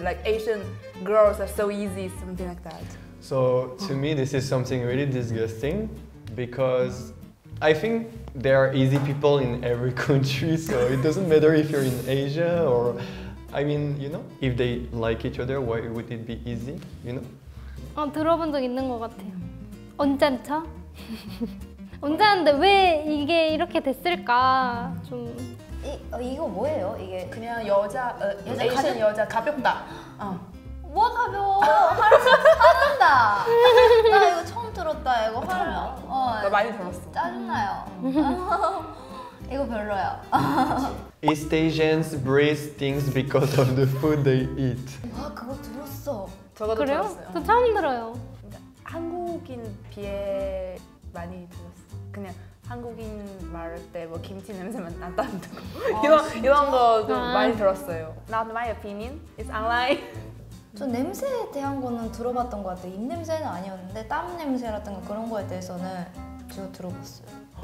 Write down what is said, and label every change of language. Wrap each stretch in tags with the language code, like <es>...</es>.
<en>Like Asian girls are so easy, something like that. So to me, this is something really disgusting because I think there are easy people in every country. So it doesn't matter if you're in Asia or, I mean, you know, if they like each other, why would it be easy? You know?</en> <ko>들어본 적 있는 것 같아요. 언짢죠? 언짢은데 왜 이게 이렇게 됐을까? 좀 이거 뭐예요? 이게 그냥 여자 여자 에이션 가볍? 여자 가볍다. 뭐가 가벼워? 화난다. 나 이거 처음 들었다. 이거 화나. 나 많이 들었어. 짜증나요. 이거 별로야.</ko> <en>East Asians breathe things because of the food they eat.</en> <ko>와 그거 들었어. 저도 그래요? 들었어요. 저 처음 들어요. 한국인 비에 많이 들었어. 그냥 한국인 말할 때 뭐 김치 냄새만 난다는 거 이런 거 좀 많이 들었어요.</ko> <en>Not my opinion. It's online.</en> <ko>저 냄새에 대한 거는 들어봤던 것 같아요. 입 냄새는 아니었는데 땀 냄새라든가 그런 거에 대해서는 제가 들어봤어요.</ko>